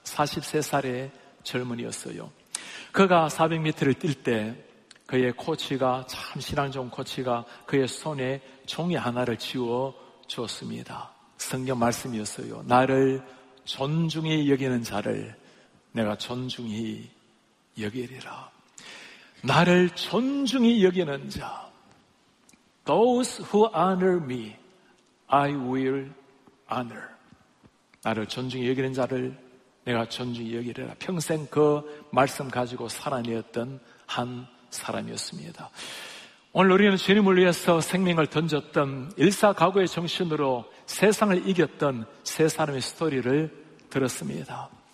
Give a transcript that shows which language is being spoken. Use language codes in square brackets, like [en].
[ko] 43살의 젊은이였어요. 그가 400m를 뛸 때 그의 코치가, 참 신앙 좋은 코치가 그의 손에 종이 하나를 쥐어 주었습니다. 성경 말씀이었어요. 나를 존중히 여기는 자를 내가 존중히 여기리라. 나를 존중히 여기는 자, [en] Those who honor me, I will honor. [ko] 나를 존중히 여기는 자를 내가 존중히 여기리라. 평생 그 말씀 가지고 살아내었던 한 사람이었습니다. 오늘 우리는 주님을 위해서 생명을 던졌던 일사각오의 정신으로 세상을 이겼던 세 사람의 스토리를 들었습니다.